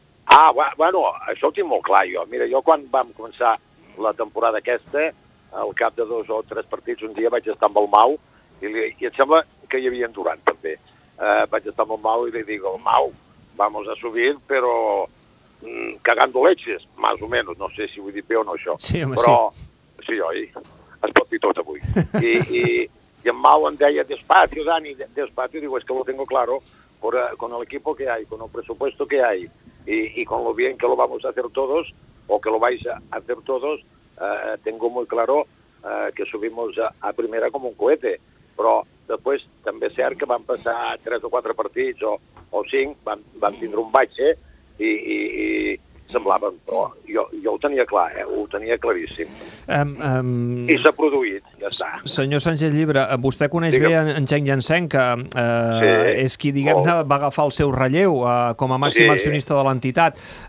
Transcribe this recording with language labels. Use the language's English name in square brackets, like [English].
[Catalan] Ah, bueno, això ho tinc molt clar jo. Mira, jo quan vam començar la temporada aquesta, al cap de dos o tres partits, un dia vaig estar amb el Mau i et sembla que hi havia en Durant també. Vaig estar amb el Mau i li dic, Mau, [Spanish] vamos a subir, [Catalan] però [Spanish] cagando leches, más o menos. [Catalan] No sé si ho he dit bé o no, això. Sí, home, però, sí. Però, sí, oi? Es pot dir tot avui. I en Mau em deia, [Spanish] despacio, Dani, despacio, digo, es que lo tengo claro con el equipo que hay, con el presupuesto que hay y con lo bien que lo vamos a hacer todos o que lo vais a hacer todos, tengo muy claro que subimos a primera como un cohete. [Catalan] Però després també és cert que van passar 3 o 4 partits o 5, van tindre un baixe i semblaven, però jo ho tenia clar, ho tenia claríssim. I s'ha produït, ja està. Senyor Sánchez Llibre, vostè coneix bé en Cheng Yanseng, que és qui, diguem-ne, va agafar el seu relleu com a màxim accionista de l'entitat.